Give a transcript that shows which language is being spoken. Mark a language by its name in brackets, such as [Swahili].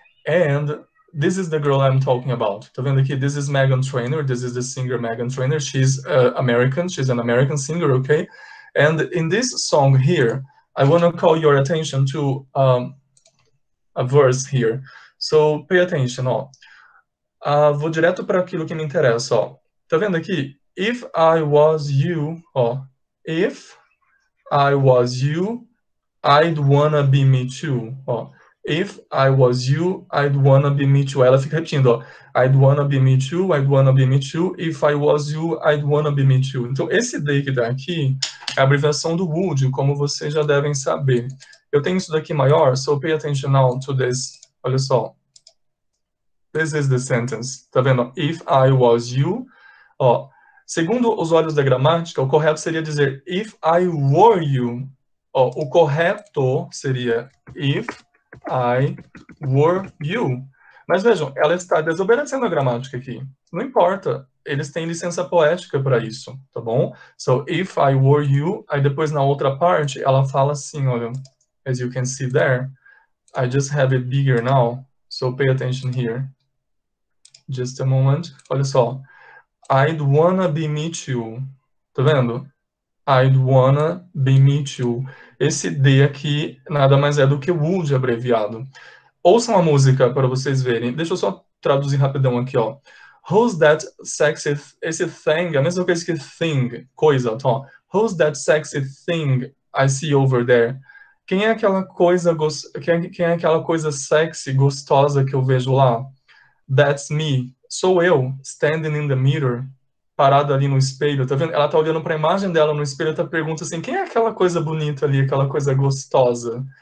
[English] And this is the girl I'm talking about. [Portuguese] Tá vendo aqui? [English] This is Meghan Trainor. This is the singer Meghan Trainor. She's American. She's an American singer, okay? And in this song here, I want to call your attention to a verse here. So, pay attention, ó. [Portuguese] Vou direto para aquilo que me interessa, ó. Tá vendo aqui? [English] If I was you, ó. If I was you, I'd wanna be me too, ó. If I was you, I'd wanna be me too. [Portuguese] Ela fica repetindo, ó. [English] I'd wanna be me too, I'd wanna be me too. If I was you, I'd wanna be me too. [Portuguese] Então, esse D que tá aqui é a abreviação do would, como vocês já devem saber. Eu tenho isso daqui maior, [English] so pay attention now to this. [Portuguese] Olha só. [English] This is the sentence. [Portuguese] Tá vendo? [English] If I was you. [Portuguese] Ó, segundo os olhos da gramática, o correto seria dizer [English] if I were you. [Portuguese] Ó, o correto seria [English] if I were you. [Portuguese] Mas vejam, ela está desobedecendo a gramática aqui. Não importa. Eles têm licença poética para isso, tá bom? [English] So, if I were you, [Portuguese] aí depois na outra parte, ela fala assim, olha, [English] as you can see there, I just have it bigger now, so pay attention here. Just a moment. [Portuguese] Olha só. [English] I'd wanna be me too. [Portuguese] Tá vendo? [English] I'd wanna be me too. [Portuguese] Esse D aqui nada mais é do que would abreviado. Ouçam a música para vocês verem. Deixa eu só traduzir rapidão aqui, ó. [English] Who's that sexy [Portuguese] esse thing, a mesma coisa que thing, coisa, tá? [English] Who's that sexy thing I see over there? [Portuguese] Quem é aquela coisa quem é aquela coisa sexy, gostosa que eu vejo lá? [English] That's me. [Portuguese] Sou eu, [English] standing in the mirror. [Portuguese] Parada ali no espelho, tá vendo? Ela tá olhando pra imagem dela no espelho e tá perguntando assim, quem é aquela coisa bonita ali, aquela coisa gostosa?